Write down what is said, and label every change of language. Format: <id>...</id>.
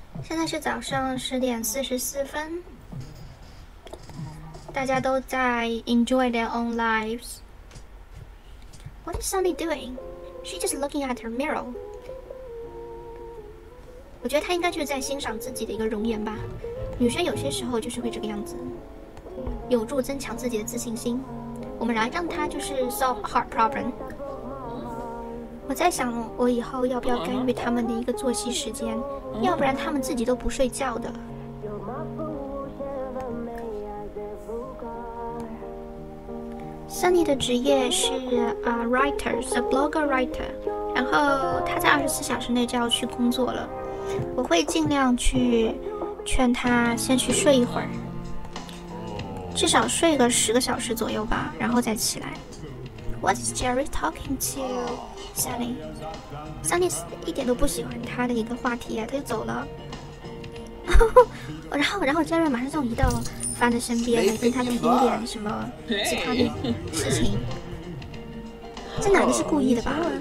<en>Now it's 早上10:44.</en> <zh>大家都在</zh> <en>enjoy their own lives. What is Sunny doing? She's just looking at her mirror.</en> <zh>我觉得他应该就是在欣赏自己的一个容颜吧，女生有些时候就是会这个样子，有助增强自己的自信心。我们来让他就是</zh> <en>solve heart problem。</en> <zh>我在想，我以后要不要干预他们的一个作息时间，要不然他们自己都不睡觉的。 Sunny 的职业是</zh> <en>a blogger writer，</en> <zh>然后他在24小时内就要去工作了。我会尽量去劝他先去睡一会儿，至少睡个10个小时左右吧，然后再起来。</zh> <en>What's Jerry talking to Sunny?</en> <zh>Sunny 一点都不喜欢他的一个话题，他就走了。然后 Jerry 马上就移到范的身边，跟他的一点什么其他的事情。这男的是故意的吧？</zh>